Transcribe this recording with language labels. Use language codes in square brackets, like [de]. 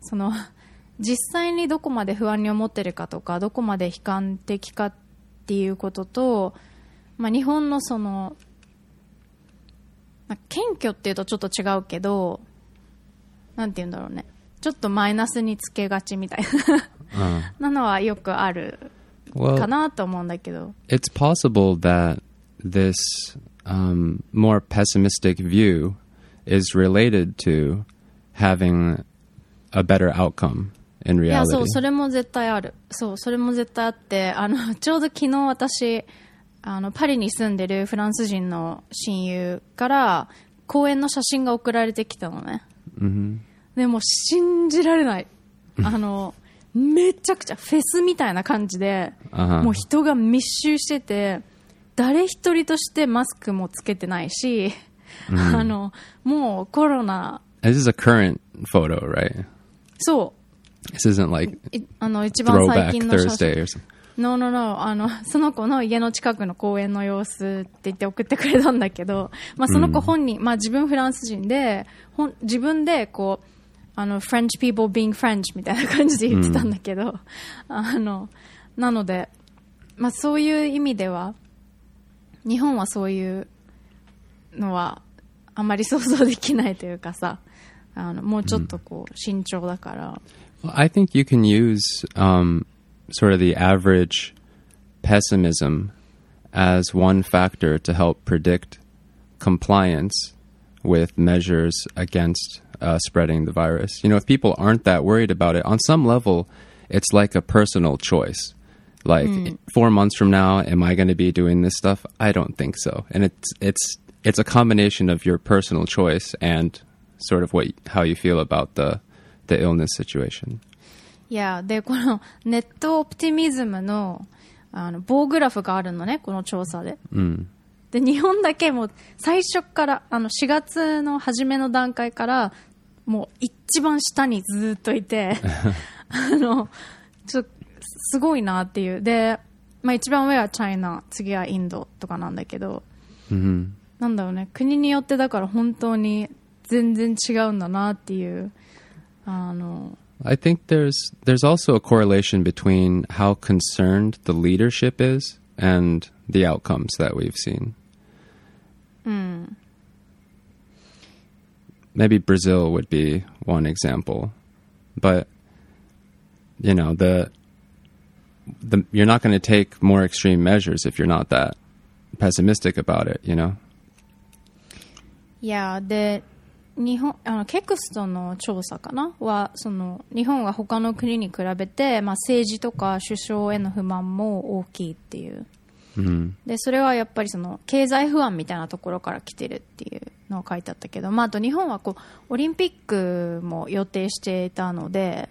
[ja] その実際にどこまで不安に思ってるかとか、どこまで悲観的かっていうことと、まあ、日本のその、まあ、謙虚っていうとちょっと違うけど、なんて言うんだろうね、ちょっとマイナスにつけがちみたいな、うん、なのはよくあるかなと思うんだけど、 [en] well, It's possible that thismore pessimistic view is related to having a better outcome in reality. [ja] いや、そう、それも絶対ある。そう、それも絶対あって、あのちょうど昨日私、あのパリに住んでるフランス人の親友から公園の写真が送られてきたのね。 Mm-hmm. でも信じられない。あのめちゃくちゃフェスみたいな感じで、 uh-huh. もう人が密集してて。誰一人としてマスクもつけてないし、mm-hmm. あのもうコロナ。 [en] This is a current photo, right? [ja] そう。 [en] This isn't like [ja] あの一番最近の写真。 [en] No, no, no. [ja] あのその子の家の近くの公園の様子って言って送ってくれたんだけど、まあ、その子本人、mm-hmm. まあ自分フランス人で、自分でこうあの [en] French people being French [ja] みたいな感じで言ってたんだけど、mm-hmm. あのなので、まあ、そういう意味では。日本はそういうのはあまり想像できないというかさ、あのもうちょっとこう慎重だから。 [en] Well, I think you can use sort of the average pessimism as one factor to help predict compliance with measures against spreading the virus. You know, if people aren't that worried about it, on some level, it's like a personal choice. Like, 4 months from now, am I going to be doing this stuff? I don't think so. And it's a combination of your personal choice and sort of how you feel about the illness situation. Yeah, [ja] で、このネットオプティミズムの、あの、棒グラフがあるのね、この調査で。うん。で、日本だけもう最初から、あの、4月の初めの段階から、もう一番下にずっといて、あの、ちょっと、すごいなっていう。で、まあ一番上はチャイナ、次はインドとかなんだけど、うん。なんだろうね、国によってだから本当に全然違うんだなっていう、あの、 [en] I think there's also a correlation between how concerned the leadership is and the outcomes that we've seen. Mm. Maybe Brazil would be one example. But, you know, the you're not going to take more extreme measures if you're not that pessimistic about it, you know? Yeah, the... [ja] 日本あのケクストの調査かなはその日本は他の国に比べて、まあ、政治とか首相への不満も大きいっていう、うん、でそれはやっぱりその経済不安みたいなところから来てるっていうのを書いてあったけど、まあ、あと日本はこうオリンピックも予定していたので、